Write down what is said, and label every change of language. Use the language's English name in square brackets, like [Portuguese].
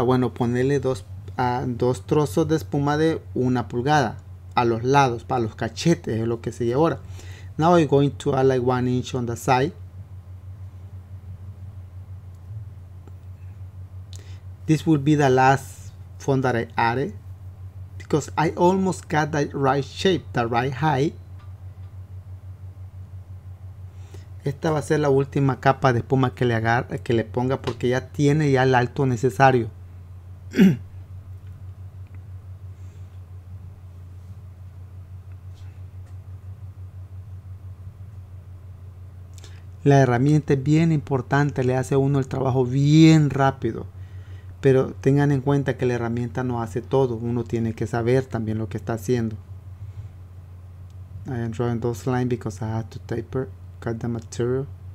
[Spanish] Bueno, ponerle dos trozos de espuma de una pulgada a los lados, para los cachetes, es lo que sigue ahora. [English] Now I'm going to add like 1 inch on the side. This will be the last foam that I added, because I almost got the right shape, the right height. [Spanish] Esta va a ser la última capa de espuma que le ponga, porque ya tiene ya el alto necesario. La herramienta es bien importante, le hace a uno el trabajo bien rápido. Pero tengan en cuenta que la herramienta no hace todo, uno tiene que saber también lo que está haciendo. [English] I am drawing those lines because I have to taper, cut the material.